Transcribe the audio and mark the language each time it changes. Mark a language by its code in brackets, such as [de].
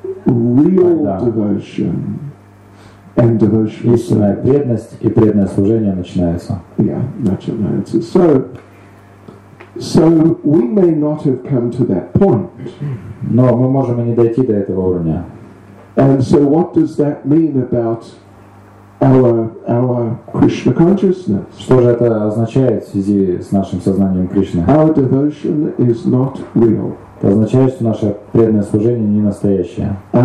[en] Real devotion and devotional service. [ru] Истинная преданность и преданное служение начинается. Yeah, начинается. [en] So we may not have come to that point. [ru] Но мы можем и не дойти до этого уровня. [en] And so what does that mean about our Krishna consciousness? [ru] Что же это означает в связи с нашим сознанием Кришны? [en] Our devotion is not real. [ru] Это означает, что наше преданное служение не настоящее.